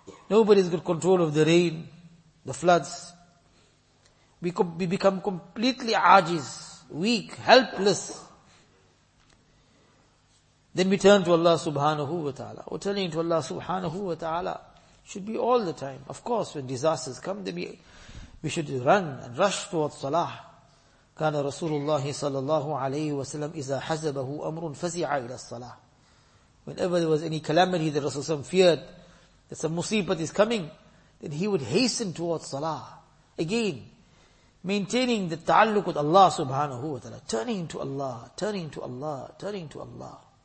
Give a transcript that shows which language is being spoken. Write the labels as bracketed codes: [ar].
[en] Nobody has got control of the rain, the floods. We become completely ajiz, weak, helpless. Then we turn to Allah subhanahu wa ta'ala. Or turning to Allah subhanahu wa ta'ala should be all the time. Of course, when disasters come, we should run and rush towards salah. [ar] كان رسول الله صلى الله عليه وسلم إذا حزبه أمر فزع إلى الصلاة. [en] Whenever there was any calamity that Rasulullah SAW feared, that some musibah is coming, then he would hasten towards salah. Again, maintaining the ta'alluq with Allah subhanahu wa ta'ala, turning to Allah, turning to Allah, turning to Allah.